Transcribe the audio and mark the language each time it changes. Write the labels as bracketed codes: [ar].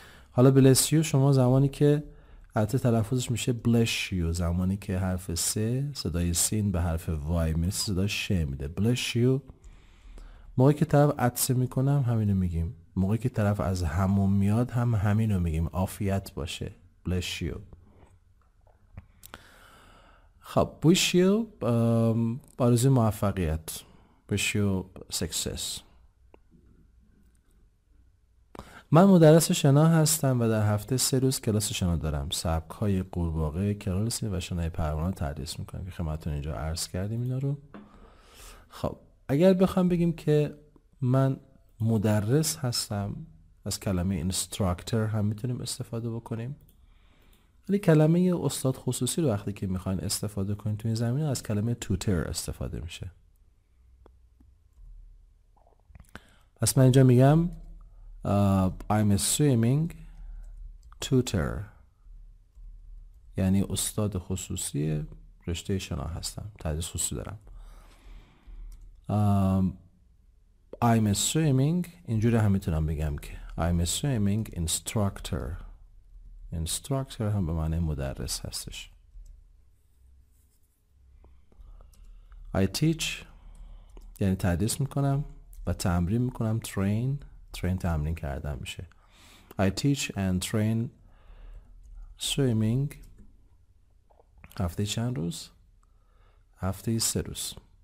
[fa] حالا [en] bless you [fa] شما زمانی که حتی تلفظش میشه بلس یو، زمانی که حرف سه صدای سین به حرف وای میرسه صدا ش میده، بلس یو. موقعی که طرف عطسه میکنم همینو میگیم، موقعی که طرف از هموم میاد هم همینو میگیم، عافیت باشه، [en] bless you. [fa] خب [en] wish you [fa] آرزوی موفقیت، [en] wish you success. [fa] من مدرس شنا هستم و در هفته 3 روز کلاس شنا دارم. سبک های قورباغه، کرالسی و شنای پروانه تدریس میکنم که خدمتتون اینجا عرض کردیم اینا رو. خب اگر بخوام بگیم که من مدرس هستم، از کلمه instructor هم میتونیم استفاده بکنیم. ولی کلمه استاد خصوصی رو وقتی که میخواین استفاده کنیم تو این زمینه، از کلمه tutor استفاده میشه. پس من اینجا میگم [en] I'm a swimming tutor [fa] یعنی استاد خصوصی رشته شنا هستم، تدریس خصوصی دارم. [en] I'm a swimming، [fa] اینجوری هم میتونم بگم که [en] I'm a swimming instructor. [fa] instructor هم به معنی مدرس هستش. [en] I teach [fa] یعنی تدریس میکنم و تمرین میکنم. train تمرین کردن میشه. [en] I teach and train swimming [fa] هفته چند روز؟ هفته 3 روز.